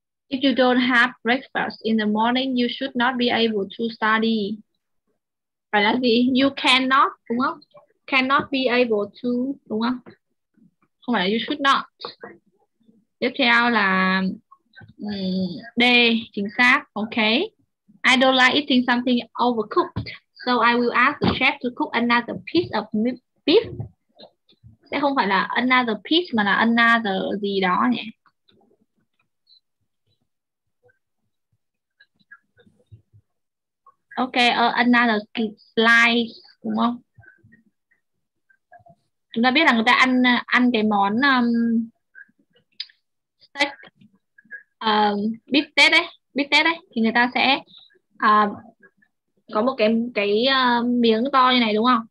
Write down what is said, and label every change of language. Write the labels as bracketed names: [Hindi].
[English] Don't have breakfast in the morning, you should not be able to study. [Vietnamese] Phải là gì? You cannot, đúng không? [English] Cannot be able to, đúng không? Không phải là you should not. [Vietnamese] Tiếp theo là D, chính xác. Ok. [English] I don't like eating something overcooked, so I will ask the chef to cook another piece of beef. [Vietnamese] Sẽ không phải là another piece mà là another gì đó nhỉ? [English] Ok, another slice, đúng không? [Vietnamese] Chúng ta biết là người ta ăn ăn cái món steak, bít tết đấy, thì người ta sẽ có một cái miếng to như này đúng không?